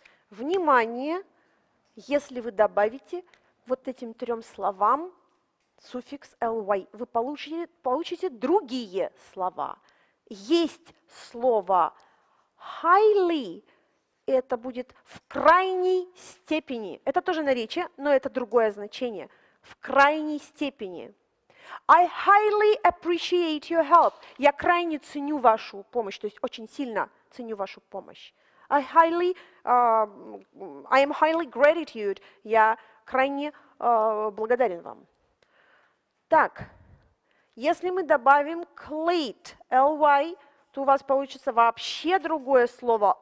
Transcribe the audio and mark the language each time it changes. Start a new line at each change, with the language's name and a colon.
Russian: Внимание, если вы добавите вот этим трем словам суффикс ly, вы получите другие слова. Есть слово highly, это будет в крайней степени. Это тоже наречие, но это другое значение. В крайней степени.
English: I highly appreciate your help.
Russian: Я крайне ценю вашу помощь, то есть очень сильно ценю вашу помощь.
English: I am highly gratitude.
Russian: Я крайне благодарен вам. Так, если мы добавим к late, ly, то у вас получится вообще другое слово.